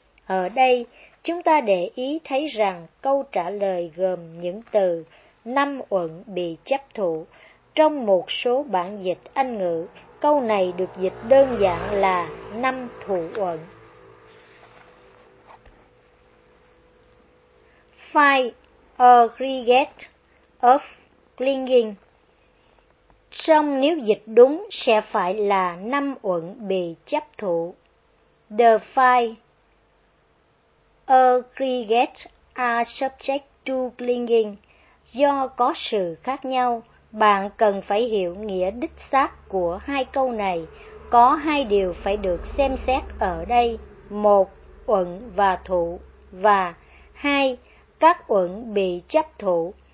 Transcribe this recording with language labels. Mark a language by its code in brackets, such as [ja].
[vi] Ở đây, chúng ta để ý thấy rằng câu trả lời gồm những từ năm uẩn bị chấp thủ. Trong một số bản dịch Anh ngữ, câu này được dịch đơn giản là năm thủ uẩn. [en] five aggregate of clinging. [vi] Song nếu dịch đúng sẽ phải là năm uẩn bị chấp thủ. [en] The five aggregate are subject to clinging. [vi] Do có sự khác nhau, bạn cần phải hiểu nghĩa đích xác của hai câu này. Có hai điều phải được xem xét ở đây. Một, uẩn và thụ. Và hai, các uẩn bị chấp thủ.